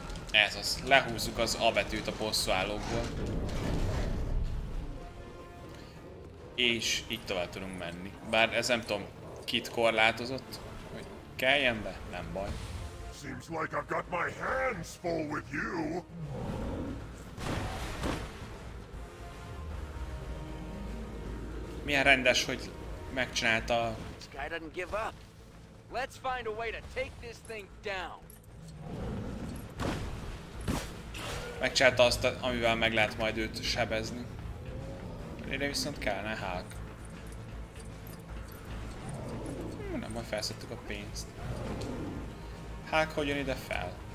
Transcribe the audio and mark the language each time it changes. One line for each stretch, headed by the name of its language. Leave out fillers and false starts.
Hungarian: Ez az, lehúzzuk az A betűt a bosszúállókból. És így tovább tudunk menni. Bár ez nem tudom, kit korlátozott, hogy kelljen be, nem baj.
English: Seems like I've got my hands full with you.
Hungarian: Milyen rendes, hogy megcsinálta.
English: This guy doesn't give up. Let's find a way to take this thing down.
Hungarian: Megcsinálta azt, amivel meg lehet majd őt sebezni. Ide viszont kellene Hulk. Nem, majd felszedtük a pénzt. Hulk, hogy jön ide fel?